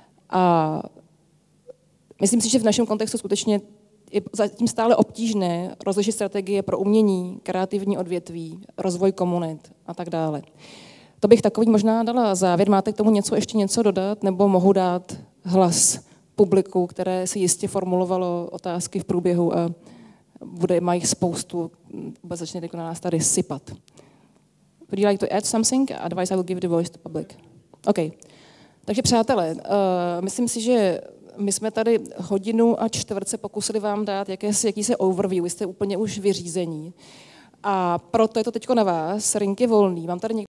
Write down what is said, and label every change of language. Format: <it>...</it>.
<cs>A myslím si, že v našem kontextu skutečně je zatím stále obtížné rozlišit strategie pro umění, kreativní odvětví, rozvoj komunit a tak dále. To bych takový možná dala závěr. Máte k tomu něco, ještě něco dodat nebo mohu dát hlas publiku, které si jistě formulovalo otázky v průběhu a bude mají spoustu, bude začne jako na nás tady sypat.</cs> <en>Would you like to add something? Otherwise I will give the voice to public. OK.</en> <cs>Takže přátelé, myslím si, že my jsme tady hodinu a čtvrt se pokusili vám dát jakýsi overview, jste úplně už vyřízení. A proto je to teďko na vás, rink je volný. Mám tady</cs>